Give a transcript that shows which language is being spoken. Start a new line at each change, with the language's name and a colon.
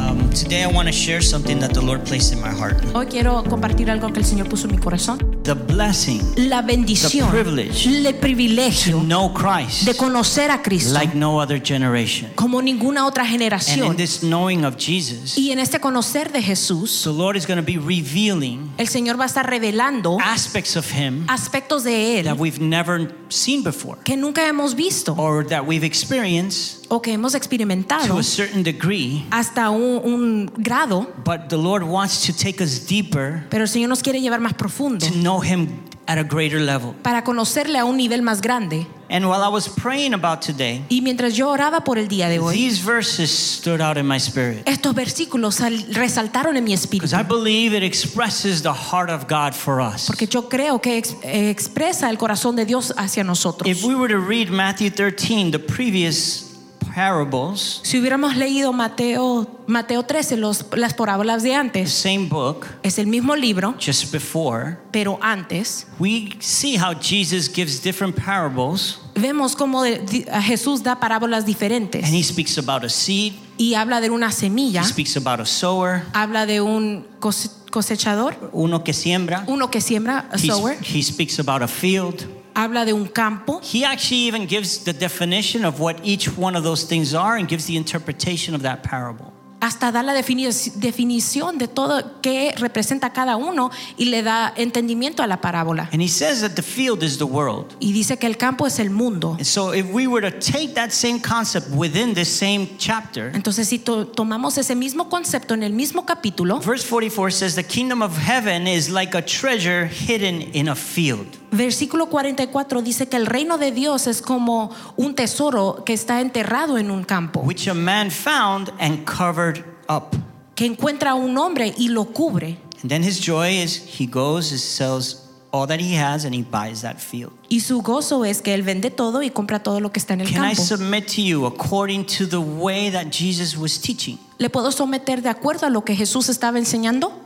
English: Today I want to share something that the Lord placed in my heart.
Spanish: Hoy quiero compartir algo que el Señor puso en mi corazón.
English: The blessing.
Spanish: La bendición.
English: The privilege.
Spanish: El privilegio.
English: To know Christ.
Spanish: De conocer a Cristo.
English: Like no other generation.
Spanish: Como ninguna otra generación.
English: And in this knowing of Jesus.
Spanish: Y en este conocer de Jesús.
English: The Lord is going to be revealing.
Spanish: El Señor va a estar revelando.
English: Aspects of Him.
Spanish: Aspectos de él.
English: That we've never seen before.
Spanish: Que nunca hemos visto.
English: Or that we've experienced.
Spanish: O que hemos experimentado
English: to a certain degree,
Spanish: hasta un grado,
English: but the Lord wants to take us deeper,
Spanish: pero el Señor nos quiere llevar más profundo,
English: to know Him at a greater level,
Spanish: para conocerle a un nivel más grande.
English: And while I was praying about today,
Spanish: y mientras yo oraba por el día de hoy,
English: these verses stood out in my spirit.
Spanish: Estos versículos resaltaron en mi espíritu.
English: Because I believe it expresses the heart of God for us.
Spanish: Porque yo creo que expresa el corazón de Dios hacia nosotros.
English: If we were to read Matthew 13, the previous parables.
Spanish: Si hubiéramos leído Mateo 13, las parábolas de antes.
English: Same book.
Spanish: Es el mismo libro.
English: Just before.
Spanish: Pero antes.
English: We see how Jesus gives different parables.
Spanish: Vemos cómo Jesús da parábolas diferentes.
English: And he speaks about a seed.
Spanish: Y habla de una semilla.
English: He speaks about a sower.
Spanish: Habla de un cosechador. Uno que siembra. Uno que siembra,
English: a sower. He speaks about a field.
Spanish: Habla de un campo.
English: He actually even gives the definition of what each one of those things are and gives the interpretation of that parable.
Spanish: Hasta da la definición de todo que representa cada uno y le da entendimiento a la parábola.
English: And he says that the field is the world.
Spanish: Y dice que el campo es el mundo.
English: And so if we were to take that same concept within the same chapter.
Spanish: Entonces si tomamos ese mismo concepto en el mismo capítulo.
English: Verse 44 says the kingdom of heaven is like a treasure hidden in a field.
Spanish: Versículo 44 dice que el reino de Dios es como un tesoro que está enterrado en un campo.
English: Which a man found and covered up.
Spanish: Que encuentra un hombre y lo cubre.
English: And then his joy is he goes and sells all that he has and he buys that field.
Spanish: Y su gozo es que él vende todo y compra todo lo que está en el campo.
English: Can I submit to you according to the way that Jesus was teaching?
Spanish: ¿Le puedo someter de acuerdo a lo que Jesús estaba enseñando?